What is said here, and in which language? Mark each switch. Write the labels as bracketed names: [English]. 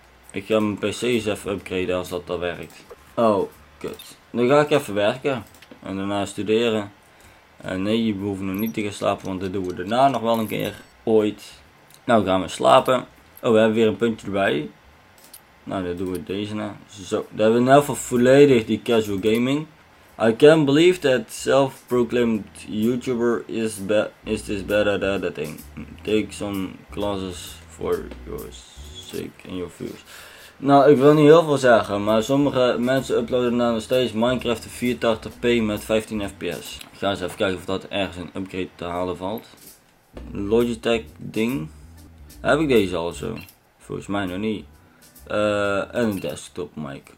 [Dutch] Ik ga mijn PC eens even upgraden als dat werkt. Oh, kut. Dan ga ik even werken. En daarna studeren. En nee, je hoeft nog niet te gaan slapen, want dat doen we daarna nog wel een keer. Ooit. Nou, gaan we slapen. Oh, we hebben weer een puntje erbij. Nou, dan doen we deze na. Zo, dan hebben we in ieder geval volledig die casual gaming. [English] I can't believe that self-proclaimed YouTuber is this better than that thing. Take some classes for your sake and your views. [Dutch] Nou, ik wil niet heel veel zeggen, maar sommige mensen uploaden dan nog steeds Minecraft 480p met 15 fps. Ik ga eens even kijken of dat ergens een upgrade te halen valt. Logitech ding. Heb ik deze al zo? Volgens mij nog niet. En een desktop mic.